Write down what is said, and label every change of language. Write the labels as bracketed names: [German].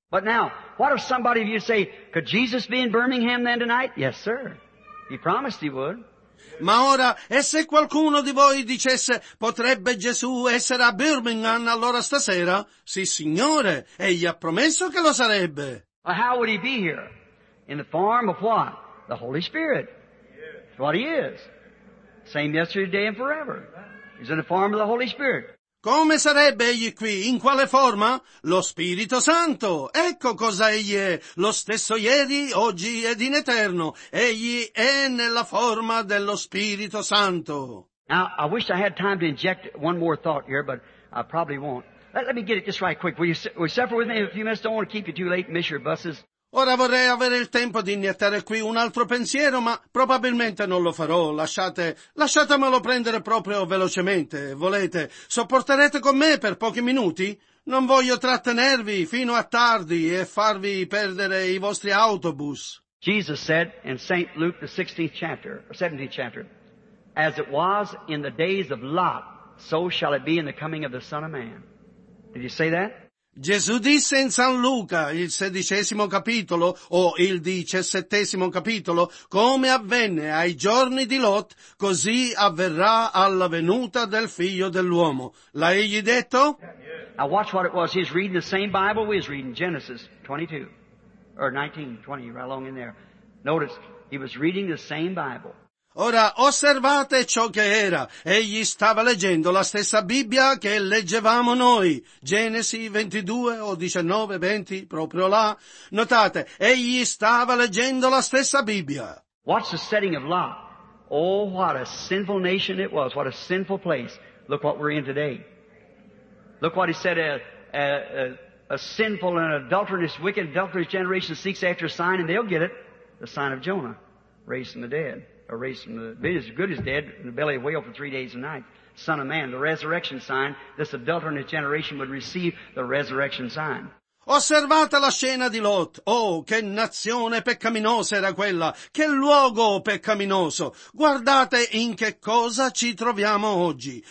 [English] But now, what if somebody of you say, could Jesus be in Birmingham then tonight? Yes, sir. He promised he would. [Italian] Ma ora, e se qualcuno di voi dicesse, potrebbe Gesù essere a Birmingham allora stasera? Sì, Signore, egli ha promesso che lo sarebbe. [English] How would he be here? In the form of what? The Holy Spirit. That's what he is. Same yesterday, today and forever. He's in the form of the Holy Spirit. [Italian] Come sarebbe egli qui? In quale forma? Lo Spirito Santo. Ecco cosa egli è. Lo stesso ieri, oggi ed in eterno. Egli è nella forma dello Spirito Santo. [English] Now, I wish I had time to inject one more thought here, but I probably won't. Let me get it just right quick. Will you suffer with me a few minutes? I don't want to keep you too late and miss your buses. [Italian] Ora vorrei avere il tempo di iniettare qui un altro pensiero, ma probabilmente non lo farò. Lasciatemelo prendere proprio velocemente. Volete? Sopporterete con me per pochi minuti? Non voglio trattenervi fino a tardi e farvi perdere i vostri autobus. [English] Jesus said in St. Luke the 16th chapter, or 17th chapter, as it was in the days of Lot, so shall it be in the coming of the Son of Man. Did you say that? [Italian] Gesù disse in San Luca, il sedicesimo capitolo, o il diciassettesimo capitolo, come avvenne ai giorni di Lot, così avverrà alla venuta del figlio dell'uomo. L'ha egli detto? [English] Now watch what it was. He's reading the same Bible we was reading, Genesis 22, or 19, 20, right along in there. Notice, he was reading the same Bible. [Italian] Ora osservate ciò che era. Egli stava leggendo la stessa Bibbia che leggevamo noi. Genesi 22 o 19, 20, proprio là. Notate, egli stava leggendo la stessa Bibbia. [English] Watch the setting of Lot. Oh, what a sinful nation it was. What a sinful place. Look what we're in today. Look what he said. A sinful and adulterous, wicked, adulterous generation seeks after a sign and they'll get it. The sign of Jonah. Raised from the dead. A race from the dead, as good as dead, in the belly of a whale for 3 days and nights. Son of man, the resurrection sign, this adulterous generation would receive the resurrection sign. [Italian] Osservate la scena di Lot. Oh, che nazione peccaminosa era quella! Che luogo peccaminoso! Guardate in che cosa ci troviamo oggi.